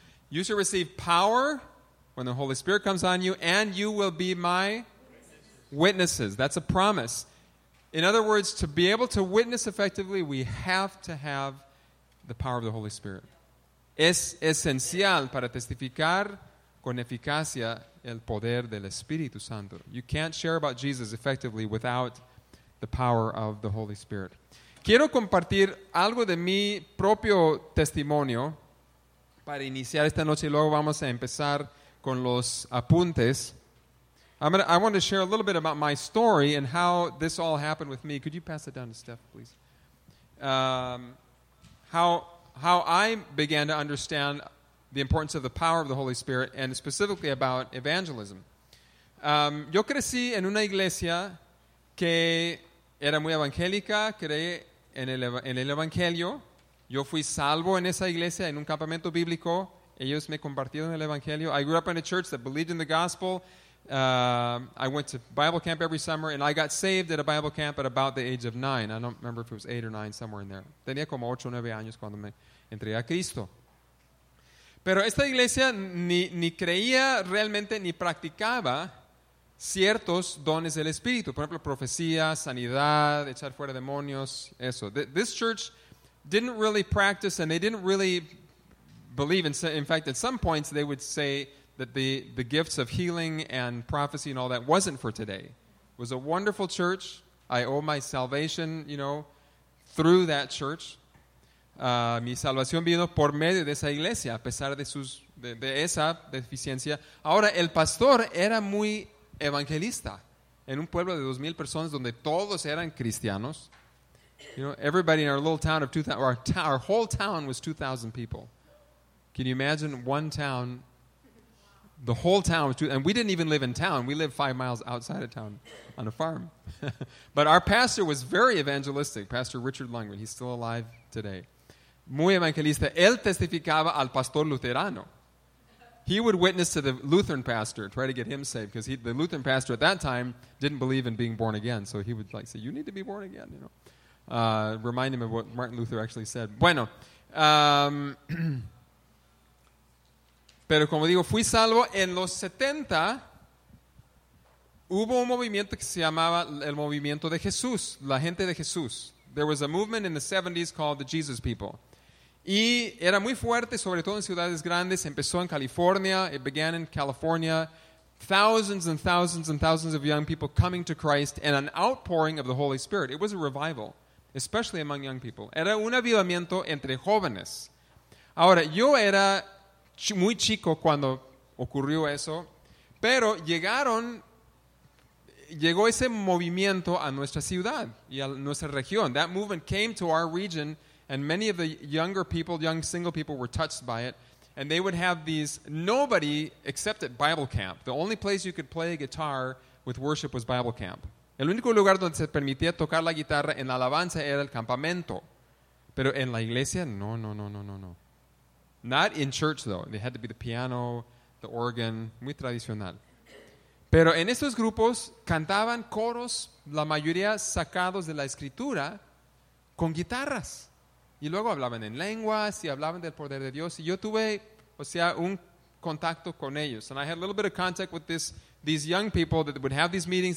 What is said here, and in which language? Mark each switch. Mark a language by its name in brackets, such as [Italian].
[English] You shall receive power when the Holy Spirit comes on you, and you will be my witnesses. That's a promise. In other words, to be able to witness effectively, we have to have the power of the Holy Spirit. [Spanish] Es esencial para testificar con eficacia el poder del Espíritu Santo. [English] You can't share about Jesus effectively without the power of the Holy Spirit. [Spanish] Quiero compartir algo de mi propio testimonio para iniciar esta noche y luego vamos a empezar con los apuntes. [English] I want to share a little bit about my story and how this all happened with me. Could you pass it down to Steph, please? How I began to understand the importance of the power of the Holy Spirit and specifically about evangelism. [Spanish] Yo crecí en una iglesia que era muy evangélica, creí en el evangelio. Yo fui salvo en esa iglesia en un campamento bíblico. Ellos me compartieron el evangelio. [English] I grew up in a church that believed in the gospel. I went to Bible camp every summer, and I got saved at a Bible camp at about the age of 9. I don't remember if it was 8 or 9, somewhere in there. [Spanish] Tenía como 8 o 9 años cuando me entré a Cristo. Pero esta iglesia ni creía realmente ni practicaba ciertos dones del Espíritu. Por ejemplo, profecía, sanidad, echar fuera demonios, eso. [English] This church didn't really practice and they didn't really believe. In fact, at some points they would say that the gifts of healing and prophecy and all that wasn't for today. It was a wonderful church. I owe my salvation, you know, through that church. [Spanish] Mi salvación vino por medio de esa iglesia, a pesar de de esa deficiencia. Ahora, el pastor era muy evangelista en un pueblo de 2,000 personas donde todos eran cristianos. [English] You know, everybody in our little town of 2,000, our whole town was 2,000 people. Can you imagine one town? The whole town was 2,000, and we didn't even live in town. We lived 5 miles outside of town on a farm. But our pastor was very evangelistic, Pastor Richard Lundgren. He's still alive today. [Spanish] Muy evangelista. Él testificaba al pastor luterano. [English] He would witness to the Lutheran pastor, try to get him saved, because the Lutheran pastor at that time didn't believe in being born again. So he would like say, you need to be born again, you know. Remind him of what Martin Luther actually said. [Spanish] Bueno, pero como digo, fui salvo en los 70. Hubo un movimiento que se llamaba el movimiento de Jesús, la gente de Jesús. [English] There was a movement in the 70s called the Jesus People. [Spanish] Y era muy fuerte, sobre todo en ciudades grandes. Empezó en California. [English] It began in California. Thousands and thousands and thousands of young people coming to Christ and an outpouring of the Holy Spirit. It was a revival, especially among young people. [Spanish] Era un avivamiento entre jóvenes. Ahora, yo era muy chico cuando ocurrió eso, pero llegó ese movimiento a nuestra ciudad y a nuestra región. [English] That movement came to our region. And many of the younger people, young single people, were touched by it. And they would have these, nobody except at Bible camp. The only place you could play guitar with worship was Bible camp. [Spanish] El único lugar donde se permitía tocar la guitarra en la alabanza era el campamento. Pero en la iglesia, no. [English] Not in church, though. They had to be the piano, the organ, [Spanish] muy tradicional. Pero en estos grupos cantaban coros, la mayoría sacados de la escritura, con guitarras. Y luego hablaban en lenguas y hablaban del poder de Dios. Y yo tuve, o sea, un contacto con ellos. [English] And I had a little bit of contact with these young people that would have these meetings.